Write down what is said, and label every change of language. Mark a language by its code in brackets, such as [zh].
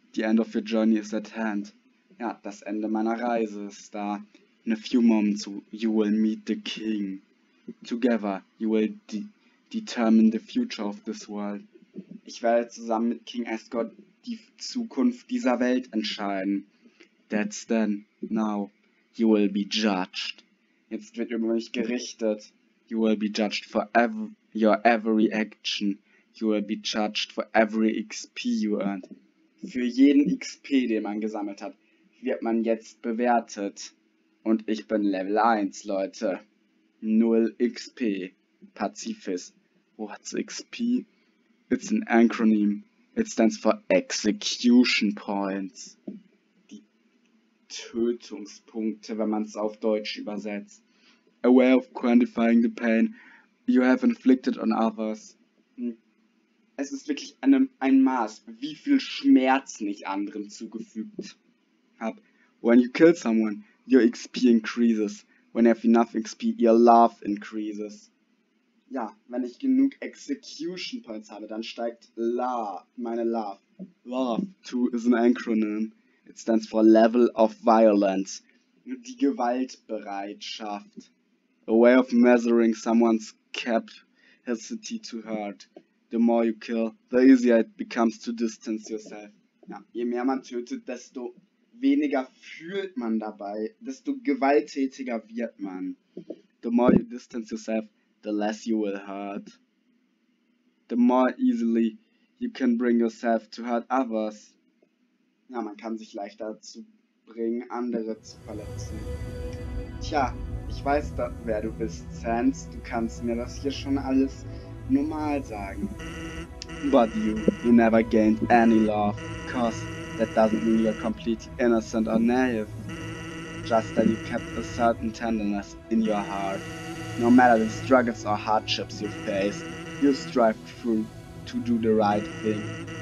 [en] The end of your journey is at hand. [de] Ja, das Ende meiner Reise ist da. [en] In a few moments you will meet the king. Together you will determine the future of this world. [de] Ich werde zusammen mit King Asgard die Zukunft dieser Welt entscheiden. [en] That's then. Now you will be judged. [de] Jetzt wird über mich gerichtet. [en] You will be judged for your every action. You will be judged for every XP you earned. [de] Für jeden XP, den man gesammelt hat, wird man jetzt bewertet. Und ich bin Level 1, Leute. 0 XP. Pazifist. [en] What's XP? It's an acronym. It stands for Execution Points. [de] Die Tötungspunkte, wenn man es auf Deutsch übersetzt. [en] A way of quantifying the pain you have inflicted on others. [de] Es ist wirklich ein Maß, wie viel Schmerzen ich anderen zugefügt habe. [en] When you kill someone, your XP increases. When you have enough XP, your love increases. [de] Ja, wenn ich genug Execution Points habe, dann steigt meine Love. [en] Love, too, is an acronym. It stands for Level of Violence. [de] Die Gewaltbereitschaft. [en] A way of measuring someone's capacity to hurt. The more you kill, the easier it becomes to distance yourself. [de] Ja, je mehr man tötet, desto weniger fühlt man dabei, desto gewalttätiger wird man. [en] The more you distance yourself, the less you will hurt. The more easily you can bring yourself to hurt others. [de] Ja, man kann sich leichter dazu bringen, andere zu verletzen. Tja, ich weiß, wer du bist, Sans. Du kannst mir das hier schon alles normal sagen. [en] But you never gained any love, because that doesn't mean you're completely innocent or naive. just that you kept a certain tenderness in your heart. No matter the struggles or hardships you faced, you strive through to do the right thing.